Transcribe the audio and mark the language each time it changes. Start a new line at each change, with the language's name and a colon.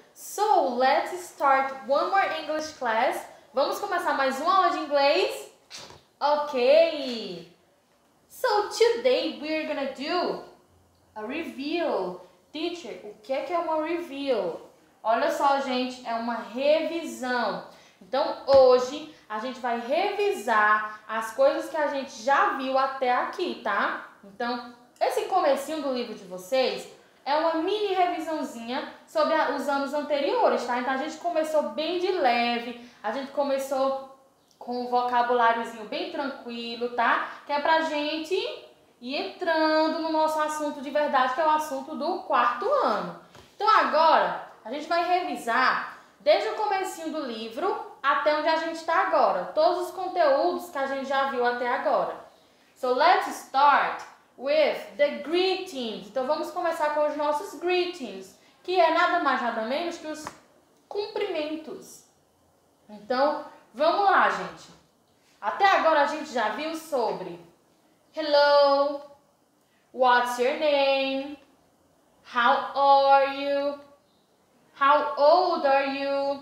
English: So, let's start one more English class.
Portuguese: Vamos começar mais uma aula de inglês?
English: Okay. So, today we're gonna do a review.
Portuguese: Teacher, o que é uma review? Olha só, gente, é uma revisão. Então, hoje a gente vai revisar as coisas que a gente já viu até aqui, tá? Então, esse comecinho do livro de vocês é uma mini revisãozinha sobre os anos anteriores, tá? Então a gente começou bem de leve, a gente começou com um vocabuláriozinho bem tranquilo, tá? Que é pra gente ir entrando no nosso assunto de verdade, que é o assunto do quarto ano. Então agora a gente vai revisar desde o comecinho do livro até onde a gente tá agora. Todos os conteúdos que a gente já viu até agora.
English: So let's start with the greetings.
Portuguese: Então vamos começar com os nossos greetings, que é nada mais nada menos que os cumprimentos. Então vamos lá, gente. Até agora a gente já viu sobre
English: hello, what's your name, how are you,
Portuguese: how old are you.